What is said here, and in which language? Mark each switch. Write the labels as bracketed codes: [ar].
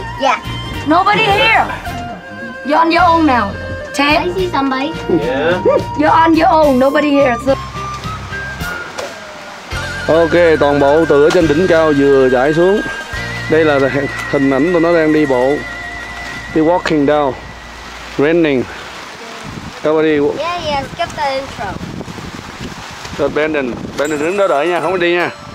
[en] Yeah, nobody here. You're on your own now. Ted. I see somebody. Yeah. You're on your own. Nobody here. So. [vi] Ok, toàn bộ từ ở trên đỉnh cao vừa chạy xuống. Đây là hình ảnh tụi nó đang đi bộ. [en] Đi walking down. Raining. Everybody. Yeah, skip the intro. [vi] Sợ Brandon, Brandon đứng đó đợi nha, không có đi nha.